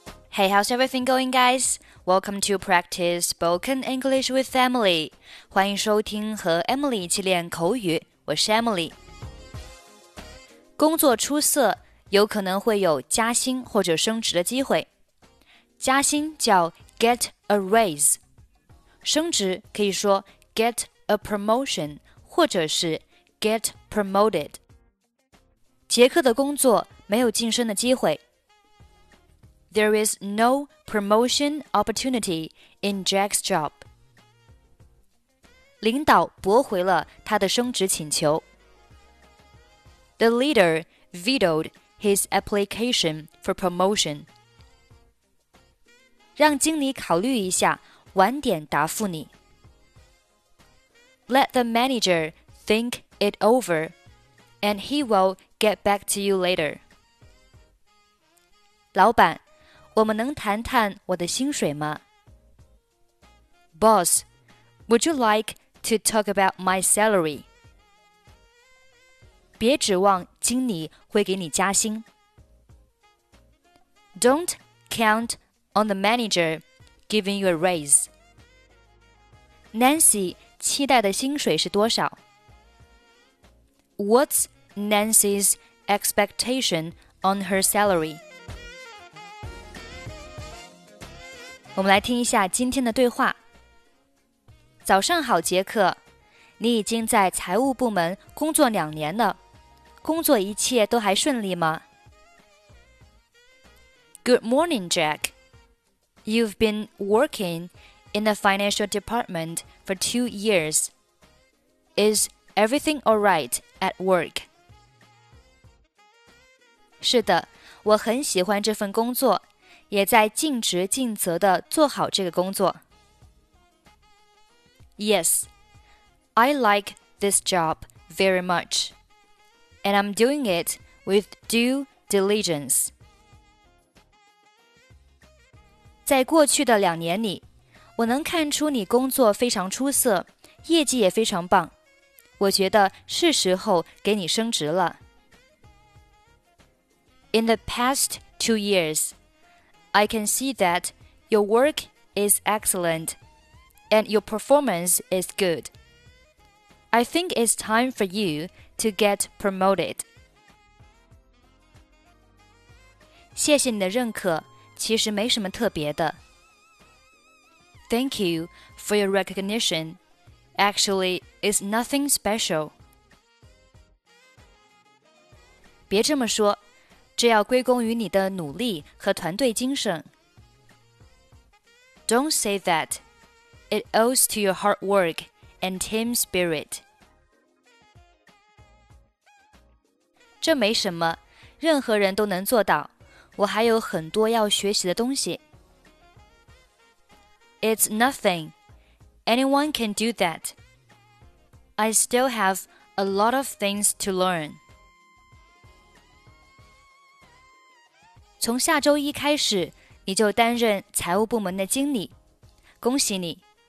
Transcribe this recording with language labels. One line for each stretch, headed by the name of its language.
English: Hey, how's everything going, guys? Welcome to Practice Spoken English with Emily.
Chinese: 欢迎收听和 Emily 一起练口语。我是 Emily。工作出色，有可能会有加薪或者升职的机会。加薪叫
English: get a raise。
Chinese: 升职可以说
English: get a promotion
Chinese: 或者是
English: get promoted。
Chinese: 杰克的工作没有晋升的机会。
English: There is no promotion opportunity in Jack's job.
Chinese: 领导驳回了他的升职请求。
English: The leader vetoed his application for promotion.
Chinese: 让经理考虑一下，晚点答复你。
English: Let the manager think it over, and he will get back to you later.
Chinese: 老板我们能谈谈我的薪水吗?
English: Boss, would you like to talk about my salary?
Chinese: 别指望经理会给你加薪。
English: Don't count on the manager giving you a raise.
Chinese: Nancy 期待的薪水是多少?
English: What's Nancy's expectation on her salary?
Chinese: 我们来听一下今天的对话。早上好，杰克，你已经在财务部门工作两年了，工作一切都还顺利吗
English: ？Good morning, Jack. You've been working in the financial department for 2 years. Is everything all right at work?
Chinese: 是的，我很喜欢这份工作。也在尽职尽责地做好这个工作。
English: Yes, I like this job very much, and I'm doing it with due diligence.
Chinese: 在过去的两年里，我能看出你工作非常出色，业绩也非常棒。我觉得是时候给你升职了。
English: In the past 2 years,I can see that your work is excellent and your performance is good. I think it's time for you to get promoted.
Chinese: 谢谢你的认可，其实没什么特别的。
English: Thank you for your recognition. Actually, it's nothing special.
Chinese: 别这么说。这要归功于你的努力和团队精神。
English: Don't say that. It owes to your hard work and team spirit.
Chinese: 这没什么，任何人都能做到。我还有很多要学习的东西。
English: It's nothing. Anyone can do that. I still have a lot of things to learn.
Chinese: 从下周一开始，你就担任财务部门的经理，恭喜你。